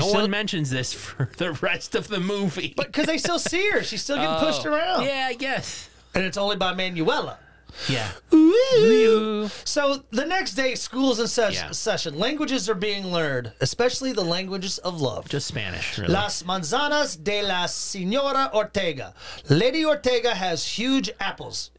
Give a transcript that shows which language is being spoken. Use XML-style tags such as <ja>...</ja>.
<en>No one mentions this for the rest of the movie. But because they still see her. She's still getting pushed around. Yeah, I guess. And it's only by Manuela. Yeah. Ooh. So the next day, school's in session. Languages are being learned, especially the languages of love. Just Spanish, really.</en> <es>Las manzanas de la señora Ortega.</es> <en>Lady Ortega has huge apples.</en>